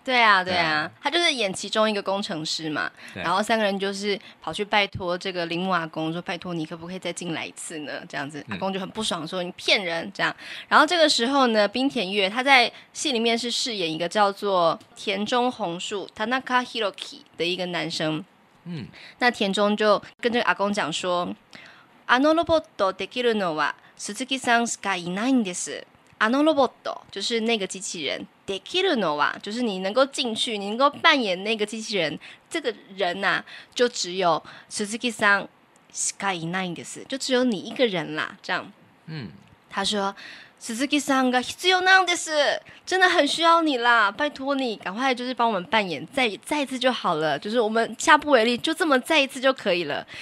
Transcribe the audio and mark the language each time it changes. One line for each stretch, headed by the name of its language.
Chinese: 对啊对 啊, 对啊，他就是演其中一个工程师嘛，然后三个人就是跑去拜托这个铃木阿公说，拜托你可不可以再进来一次呢这样子。阿公就很不爽说你骗人这样。然后这个时候呢，冰田月他在戏里面是饰演一个叫做田中宏树 Tanaka Hiroki 的一个男生。嗯，那田中就跟这个阿公讲说，
Japanese: あのロボットできるのは鈴木さんしかいないんです。あのロボット
Chinese: 就是那个机器人，
Japanese: できるのは
Chinese: 就是你能够进去，你能够扮演那个机器人，这个人啊就只有
Japanese: 鈴木さんしかいないんです，
Chinese: 就只有你一个人啦。这样，嗯，他说
Japanese: 鈴木さんが必要なんです，
Chinese: 真的很需要你啦，拜托你赶快就是帮我们扮演再一次就好了，就是我们下不为例，就这么再一次就可以了。